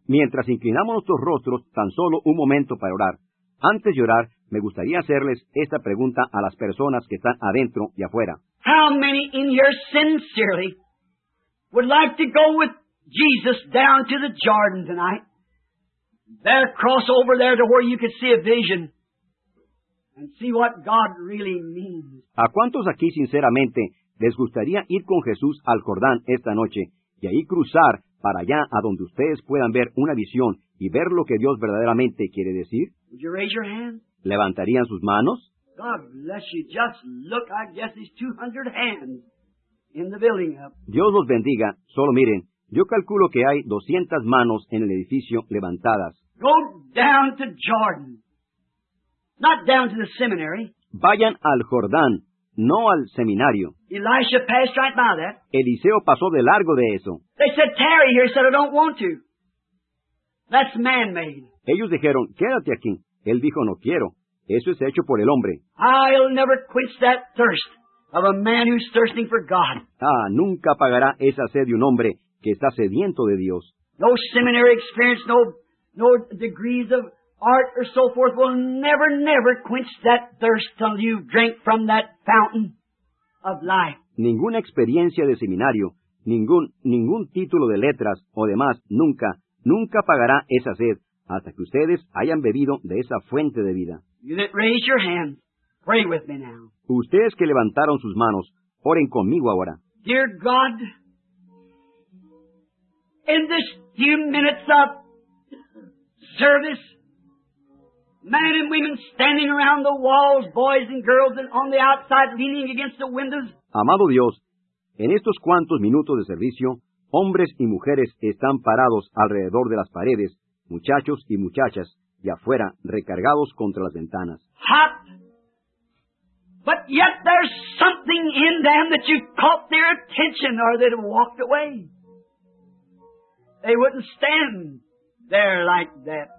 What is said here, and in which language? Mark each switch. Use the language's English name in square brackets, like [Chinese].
[Spanish] Mientras inclinamos nuestros rostros, tan solo un momento para orar. Antes de orar, me gustaría hacerles esta pregunta a las personas que están adentro y afuera. [English] How many in here sincerely would like to go with Jesus down to the Jordan tonight? There, cross over there to where you could see a vision and see what God really means. [Spanish] ¿A cuántos aquí sinceramente les gustaría ir con Jesús al Jordán esta noche y ahí cruzar para allá a donde ustedes puedan ver una visión y ver lo que Dios verdaderamente quiere decir? [English] Would you raise your hand? [Spanish] ¿Levantarían sus manos? [English] God bless you. Just look, I guess it's 200 hands. In the building up. [Spanish] Dios los bendiga. Solo miren, yo calculo que hay 200 manos en el edificio levantadas. [English] Go down to Jordan. Not down to the seminary. [Spanish] Vayan al Jordán, no al seminario. [English] Elisha passed right by that. [Spanish] Eliseo pasó de largo de eso. [English] They said, tarry here. He said, I don't want to. That's man-made. [Spanish] Ellos dijeron, quédate aquí. Él dijo, no quiero. Eso es hecho por el hombre. [English] I'll never quench that thirst. Of a man who's thirsting for God. [Spanish] Ah, nunca apagará esa sed de un hombre que está sediento de Dios. [English] No seminary experience, no degrees of art or so forth will never, never quench that thirst till you drink from that fountain of life. [Spanish] Ninguna experiencia de seminario, ningún título de letras o demás, nunca apagará esa sed hasta que ustedes hayan bebido de esa fuente de vida. [English] You didn't raise your hand. Pray with me now. [Spanish] Ustedes que levantaron sus manos, oren conmigo ahora. [English] Dear God, in this few minutes of service, men and women standing around the walls, boys and girls, and on the outside leaning against the windows. [Spanish] Amado Dios, en estos cuantos minutos de servicio, hombres y mujeres están parados alrededor de las paredes, muchachos y muchachas, y afuera, recargados contra las ventanas. [English] Hot. But yet there's something in them that you caught their attention or they'd have walked away. They wouldn't stand there like that.